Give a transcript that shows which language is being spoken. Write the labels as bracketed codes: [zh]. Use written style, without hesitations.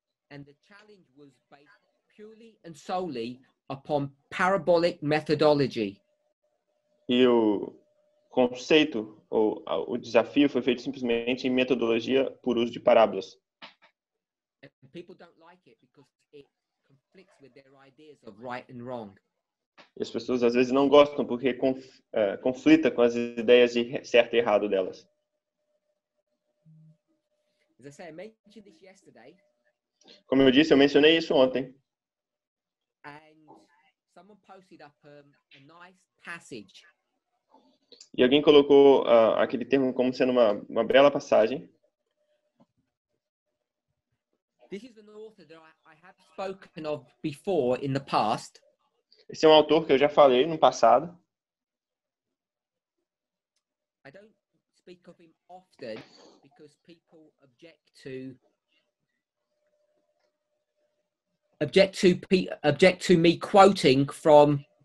[en] And the challenge was based purely and solely upon parabolic methodology. [pt] E o conceito ou o desafio foi feito simplesmente em metodologia por uso de parábolas. [en] And people don't like it because with their ideas of right and wrong. [pt] As pessoas às vezes não gostam porque conflita com as ideias de certo e errado delas. [en] As I said, I mentioned this yesterday. [pt] Como eu disse, eu mencionei isso ontem. [en] And someone posted up a nice passage. [pt] E alguém colocou aquele termo como sendo uma bela passagem. [en] This is an author that I have spoken of before in the past. [pt] Esse é um autor que eu já falei no passado. [en] I don't speak of him often because people object to me quoting from